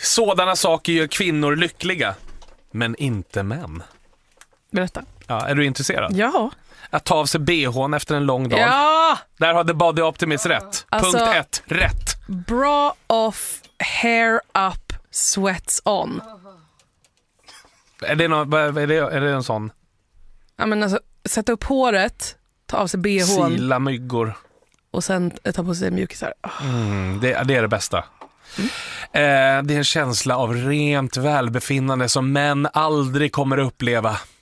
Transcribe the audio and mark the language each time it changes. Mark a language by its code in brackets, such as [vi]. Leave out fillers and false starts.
[sv] Sådana saker gör kvinnor lyckliga, men inte män. Berätta. Ja, är du intresserad? Ja. Att ta av sig BH:n efter en lång dag. Ja! Där har The Body Optimist rätt. Alltså, punkt ett. Rätt. [en] Bra off, hair up, sweats on. [sv] Är det en sån? Ja, men alltså, sätta upp håret, ta av sig BH-n. Sila myggor. Och sen ta på sig mjukisar. Det är det bästa. Mm. Det är en känsla av rent välbefinnande som män aldrig kommer att uppleva.